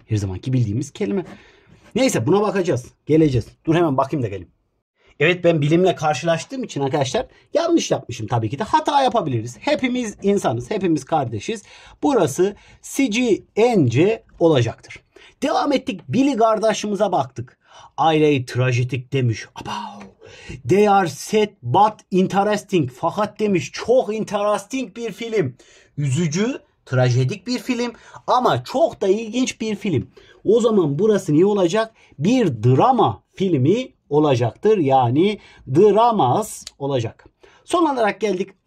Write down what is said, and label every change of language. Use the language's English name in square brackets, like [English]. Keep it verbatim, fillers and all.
[Turkish] Her zamanki bildiğimiz kelime. Neyse, buna bakacağız. Geleceğiz. Dur hemen bakayım da geleyim. Evet, ben bilimle karşılaştığım için arkadaşlar yanlış yapmışım tabii ki de. Hata yapabiliriz. Hepimiz insanız. Hepimiz kardeşiz. Burası C G N C olacaktır. Devam ettik. Billy kardeşimize baktık. Aileyi trajedik demiş. Abav. [English] They are sad but interesting. [Turkish] Fakat demiş çok interesting bir film. Üzücü, trajedik bir film ama çok da ilginç bir film. O zaman burası ne olacak? Bir drama filmi olacaktır. Yani dramas olacak. Son olarak geldik.